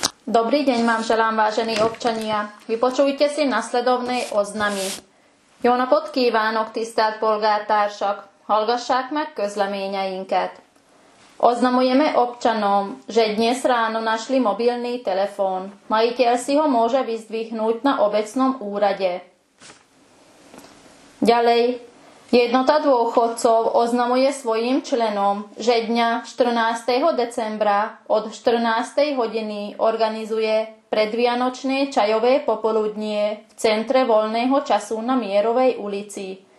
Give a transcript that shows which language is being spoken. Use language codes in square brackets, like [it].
[sk] Dobrý deň vám želám, vážení občania. Vypočujte si nasledovné oznamy. [hu] Jó napot kívánok, tisztelt polgártársak! Hallgassák meg közleményeinket. [sk] Oznamujeme občanom, že dnes ráno našli mobilný telefón. Majiteľ si ho môže vyzdvihnúť na obecnom úrade. Ďalej. Jednota dôchodcov oznamuje svojim členom, že dňa 14. decembra od 14. hodiny organizuje predvianočné čajové popoludnie v centre voľného času na Mierovej ulici.